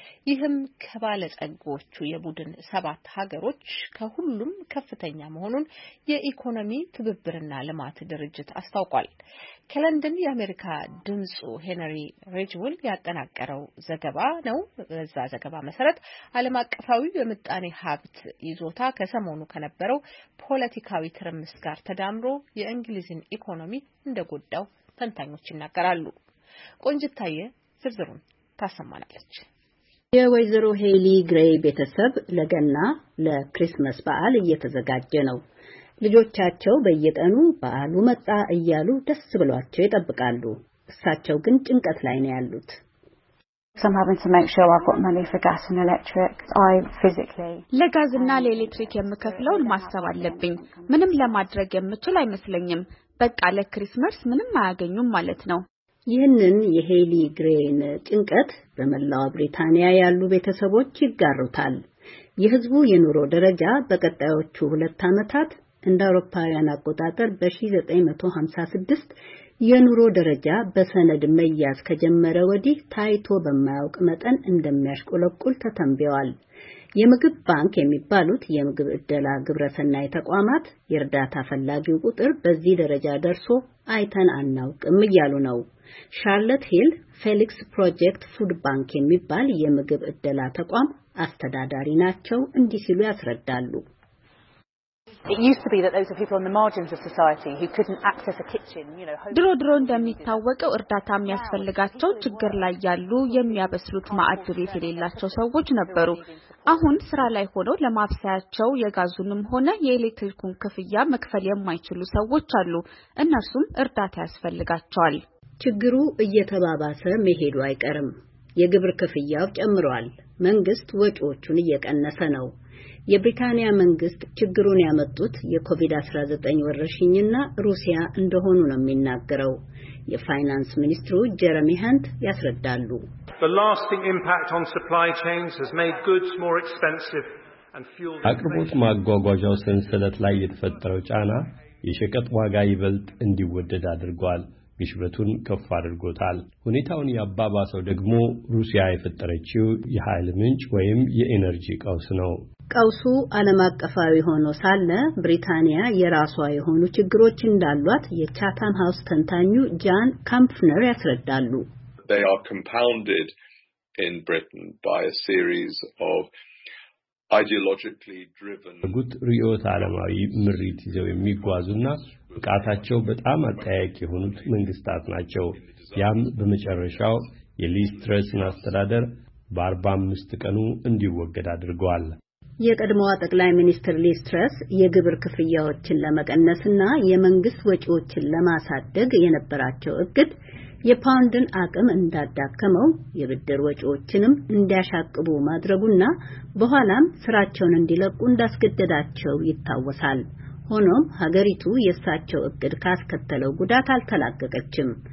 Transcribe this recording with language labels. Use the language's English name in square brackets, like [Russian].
[Amharic] ይህም ከባለጸጎቹ የቡድን 7 ሀገሮች ከሁሉም ከፍተኛ መሆኑን የኢኮኖሚ ትብብርና ልማት ድርጅት አስታውቋል። ከለንደን የአሜሪካ ድምጹ ሄነሪ ሬጅውል ያጠናቀረው ዘገባ ነው። በዛ ዘገባ መሰረት ዓለም አቀፋዊ የምጣኔ ሀብት ይዞታ ከሰሞኑ ከነበረው ፖለቲካዊ ትርምስ ጋር ተዳምሮ የእንግሊዝን ኢኮኖሚ እንደጎዳው ተንታኞች ይናገራሉ። ቆንጅታየ ዝርዝሩን ታሰማናለች። የወይዘሮ ሄሊ ግሬይ ቤተሰብ ለገና ለክሪስማስ በዓል እየተዘጋጀ ነው። ልጆቻቸው በየጠኑ በዓሉ መጣ እያሉ ደስ ብሏቸው ይጠብቃሉ። እሳቸው ግን ጭንቀት ላይ ነው ያሉት። [English] Some having to make sure I've got money for gas and electric. I physically [Amharic] ለጋዝ እና ለኤሌክትሪክ የምከፍለው ማሰብ አለብኝ። ምንም ለማድረግ የምችል አይመስለኝም። በቃ ለክሪስማስ ምንም አያገኙም ማለት ነው። ይህንን የሄሊ ግሬን ጭንቀት በመላው ብሪታንያ ያሉ ቤተሰቦች ይጋሩታል። የህዝቡ የኑሮ ደረጃ በቀጣዮቹ 2 አመታት እንደ አውሮፓውያን አቆጣጠር በ1956 የኑሮ ደረጃ በሰነድ መያዝ ከጀመረ ወዲህ ታይቶ በማያውቅ መጠን እንደሚያሽቆለቁል ተተንብዮአል። የምግብ ባንክ የሚባሉት የምግብ እደላ ግብረሰናይ ተቋማት የርዳታ ፈላጊው ቁጥር በዚህ ደረጃ ደርሶ አይተን አናውቅም እያሉ ነው። ሻርለት ሂል ፌሊክስ ፕሮጀክት ፉድ ባንክ የሚባል የምግብ እደላ ተቋም አስተዳዳሪ ናቸው። እንዲህ ሲሉ ያስረዳሉ። [English] It used to be that those were people on the margins of society who couldn't access a kitchen, you know. [Amharic] ድሮ ድሮ እንደሚታወቀው እርዳታ የሚያስፈልጋቸው ችግር ላይ ያሉ የሚያበስሉት ማዕድ ቤት የሌላቸው ሰዎች ነበሩ። አሁን ስራ ላይ ሆነው ለማብሰያቸው የጋዙንም ሆነ የኤሌክትሪኩን ክፍያ መክፈል የማይችሉ ሰዎች አሉ። እነሱም እርዳታ ያስፈልጋቸዋል። ችግሩ እየተባባሰ መሄዱ አይቀርም። የግብር ክፍያው ጨምሯል። መንግስት ወጪዎቹን እየቀነሰ ነው። የብሪታንያ መንግስት ችግሩን ያመጡት የኮቪድ-19 ወረርሽኝና ሩሲያ እንደሆኑ ነው የሚናገረው። የፋይናንስ ሚኒስትሩ ጀረሚ ሃንት ያስረዳሉ። [English] The lasting impact on supply chains has made goods more expensive and fuel. [Amharic] አቅርቦት ማጓጓዣው ሰንሰለት ላይ የተፈጠረው ጫና የሸቀጥ ዋጋ ይበልጥ እንዲወደድ አድርጓል። ግሽበቱን ከፍ አድርጎታል። ሁኔታውን ያባባሰው ደግሞ ሩሲያ የፈጠረችው የኃይል ምንጭ ወይም የኤነርጂ ቀውስ ነው። ቀውሱ ዓለም አቀፋዊ ሆኖ ሳለ ብሪታንያ የራሷ የሆኑ ችግሮች እንዳሏት የቻታም ሃውስ ተንታኙ ጃን ካምፕነር ያስረዳሉ። [English] They are compounded in Britain by a series of ideologically driven [Amharic] ግጭቶች ዓለማዊ ምሪት ይዘው የሚጓዙና ቃታቸው በጣም አጣያቂ የሆኑት መንግስታት ናቸው። ያም በመጨረሻው የሊስትረስን አስተዳደር በ45 ቀኑ እንዲወገድ አድርጓል። የቀድሞዋ ጠቅላይ ሚኒስትር ሊስትረስ የግብር ክፍያዎችን ለመቀነስና የመንግስት ወጪዎችን ለማሳደግ የነበራቸው እቅድ የፓውንድን አቅም እንዳዳከመው የብድር ወጪዎችንም እንዲያሻቅቡ ማድረጉና በኋላም ፍራቸውን እንዲለቁ እንዳስገደዳቸው ይታወሳል። ሆኖም ሀገሪቱ የሳቸው እቅድ ካስከተለው ጉዳት አልተላቀቀችም።